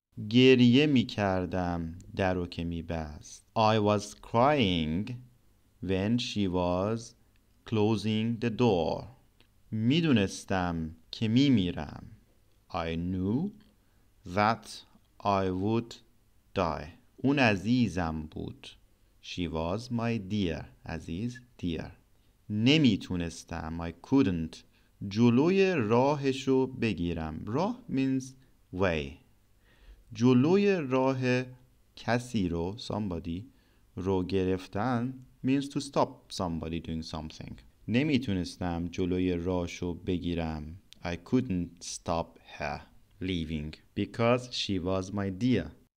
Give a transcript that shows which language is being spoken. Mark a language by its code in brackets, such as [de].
[fa] گریه می کردم درو که می بست. [en] I was crying when she was closing the door. [fa] می دونستم که می میرم. [en] I knew that I would die. [fa] اون عزیزم بود. [en] She was my dear. [fa] عزیز, dear. نمی تونستم. [en] I couldn't. [fa] جلوی راهشو بگیرم. راه [en] means way. [fa] جلوی راه کسی رو, somebody, رو گرفتن [en] means to stop somebody doing something. [fa] نمیتونستم جلوی راهشو بگیرم. [en] I couldn't stop her leaving because she was my dear.